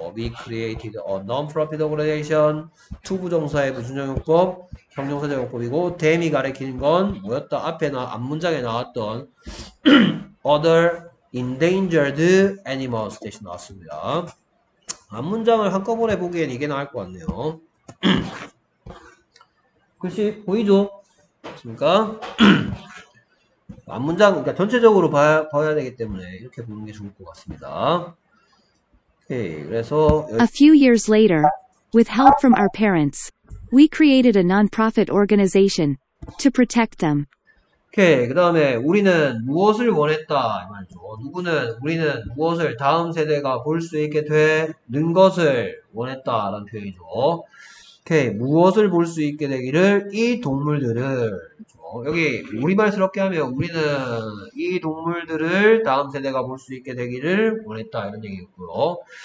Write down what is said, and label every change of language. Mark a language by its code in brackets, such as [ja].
[en] we created a non-profit organization to [ko] 부정사의 부정용법 형용사적용법이고 them이 가리키는 건 뭐였다 앞에나 앞문장에 나왔던 [en] Other endangered animals [ko] 대신 나왔습니다. 앞문장을 한꺼번에 보기엔 이게 나을 것 같네요. 글씨 보이죠? 맞습니까? 앞문장, 그러니까 전체적으로 봐야 되기 때문에 이렇게 보는 게 좋을 것 같습니다. 오케이. 그래서 [en] A few years later, with help from our parents, we created a non-profit organization to protect them. [ko] 오케이. 그 다음에 우리는 무엇을 원했다 이 말이죠. 우리는 무엇을 다음 세대가 볼수 있게 되는 것을 원했다라는 표현이죠. 오케이. 무엇을 볼수 있게 되기를 이 동물들을 여기 우리말스럽게 하면 우리는 이 동물들을 다음 세대가 볼수 있게 되기를 원했다 이런 얘기였고요.